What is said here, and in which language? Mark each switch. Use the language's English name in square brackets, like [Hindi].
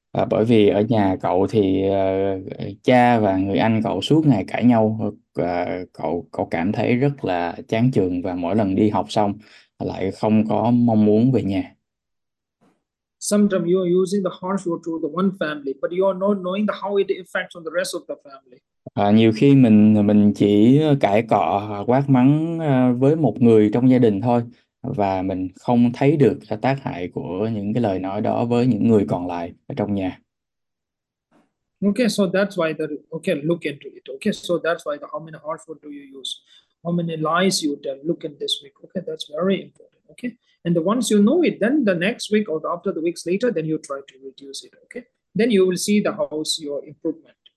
[Vietnamese] Bởi vì ở nhà cậu thì cha và người anh cậu suốt ngày cãi nhau, cậu cậu cảm thấy rất là chán trường và mỗi lần đi học xong lại không có mong muốn về nhà. [English] Sometimes you are using the harsh word to the one family, but you are not knowing how it affects on the rest of the family. [Vietnamese] Nhiều khi mình chỉ cãi cọ quát mắng với một người trong gia đình thôi và mình không thấy được tác hại của những cái lời nói đó với những người còn lại ở trong nhà. [English] Okay, so that's why look into it. Okay, so that's why how many harsh word do you use? How many lies you tell? Look in this week. Okay, that's very important. Okay, and once you know it, then the next week or after the weeks later, then you try to reduce it. Okay, then you will see the house your improvement.